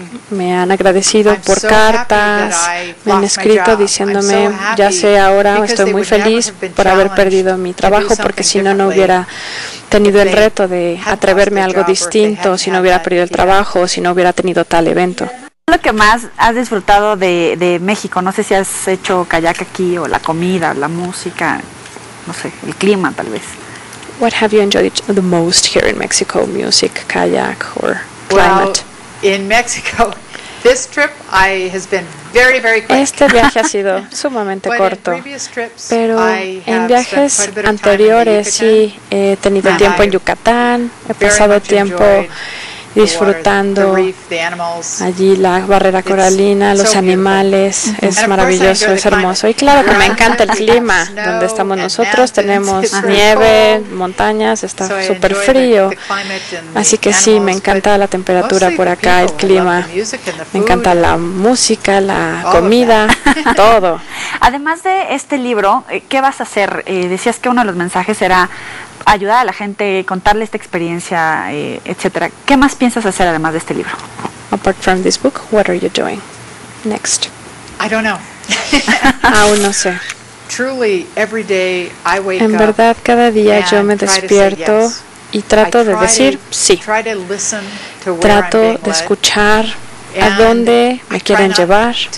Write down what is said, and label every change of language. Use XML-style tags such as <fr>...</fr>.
<es>Me han agradecido por cartas, me han escrito diciéndome, ya sé ahora, estoy muy feliz por haber perdido mi trabajo, porque si no, no hubiera tenido el reto de atreverme a algo distinto, si no hubiera perdido el trabajo, si no hubiera tenido tal evento. ¿Qué es lo que más has disfrutado de México? No sé si has hecho kayak aquí, o la comida, o la música, no sé, el clima tal vez.</es> <en>What have you enjoyed the most here in Mexico? Music, kayak, or climate? Well, in Mexico. This trip has been very, very quick.</en> <es>Este viaje ha sido sumamente corto, pero en viajes anteriores sí he tenido tiempo en Yucatán, he pasado tiempo disfrutando allí la barrera coralina, los animales, es maravilloso, es hermoso. Y claro que me encanta el clima donde estamos nosotros, tenemos nieve, montañas, está súper frío. Así que sí, me encanta la temperatura por acá, el clima, me encanta la música, la comida, todo. Además de este libro, ¿qué vas a hacer? Decías que uno de los mensajes era ayudar a la gente, contarle esta experiencia, etcétera. ¿Qué más piensas hacer además de este libro?</es> <en>Apart from this book, what are you doing next? I don't know.</en> <es>Aún no sé.</es> <en>Truly, every day I wake</en> <es>en verdad, cada día yo me despierto y trato de decir sí. Trato de escuchar a dónde me quieren llevar.</es>